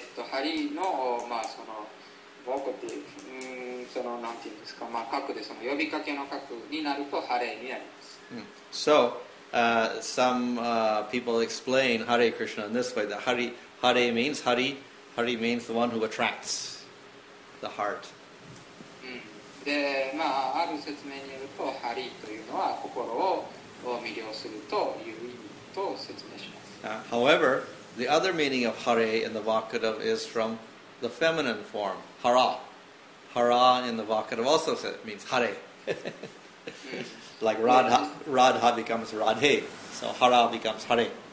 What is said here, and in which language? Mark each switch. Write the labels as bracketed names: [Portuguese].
[Japanese] ハリの、まあ、そのボコティブ、そのなんていうんですか、まあ、核でその呼びかけの核になるとハレになります。 [English] So, some people explain Hare Krishna in this way, that Hare means Hari, Hari means the one who attracts the heart. [Japanese] で、まあ、ある説明によると、ハリというのは心を魅了するという意味と説明します。 [English] However,the other meaning of Hare in the vocative is from the feminine form, Hara. Hara in the vocative also means Hare. Like Radha becomes Radhe. So Hara becomes Hare.